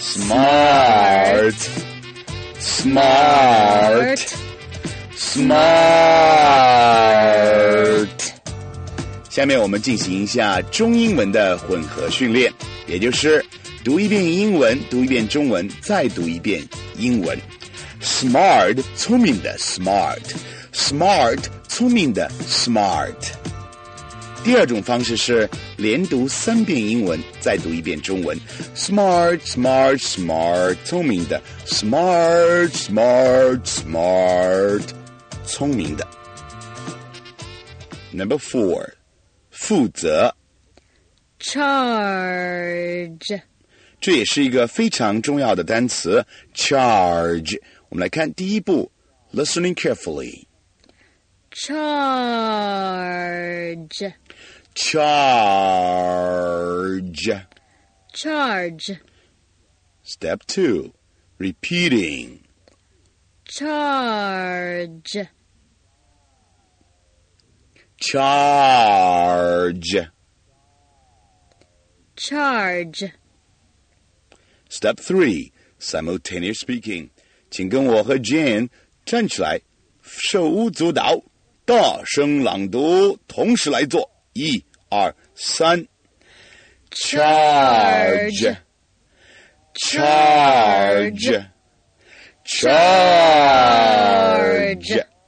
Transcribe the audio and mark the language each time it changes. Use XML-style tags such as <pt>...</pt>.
<en>Smart. Smart. Smart.</en> <zh>下面我们进行一下中英文的混合训练。也就是读一遍英文，读一遍中文，再读一遍英文。</zh> <en>smart</en> <zh>聪明的</zh> <en>smart， smart 聪明的 smart。</en> <zh>第二种方式是连读三遍英文，再读一遍中文。</zh> <en>smart smart smart</en> <zh>聪明的</zh> <en>smart smart smart 聪明的。 Number 4，</en> <zh>负责。</zh> <en>Charge，</en> <zh>这也是一个非常重要的单词。Charge， 我们来看第一步 ，</zh> <en>listening carefully。 Charge， charge， charge。 Step two， repeating。 Charge， charge。 Charge. Step 3, simultaneous speaking.</en> <zh>请跟我和 Jane 站起来，手舞足蹈，大声朗读，同时来做。一、二、三。</zh> <en>Charge. Charge. Charge.</en>